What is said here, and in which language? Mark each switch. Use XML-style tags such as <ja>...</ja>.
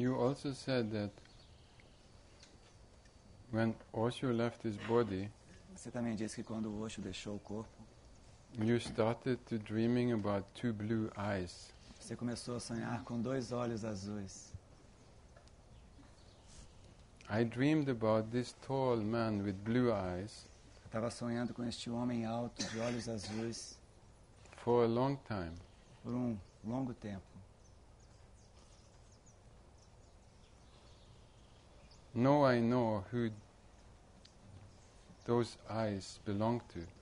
<en>You also said that when Osho left his body.</en> <pt>Você também disse que quando o Osho deixou o corpo,</pt> <en>you started to dreaming about two blue eyes.</en> <pt>Você começou a sonhar com 2 olhos azuis.</pt> <en>I dreamed about this tall man with blue eyes.</en> <pt>Estava sonhando com este homem alto de olhos azuis.</pt> <en>For a long time.</en> <pt>Por um longo tempo.</pt> <en>No, I know who. Those eyes belong to.</en>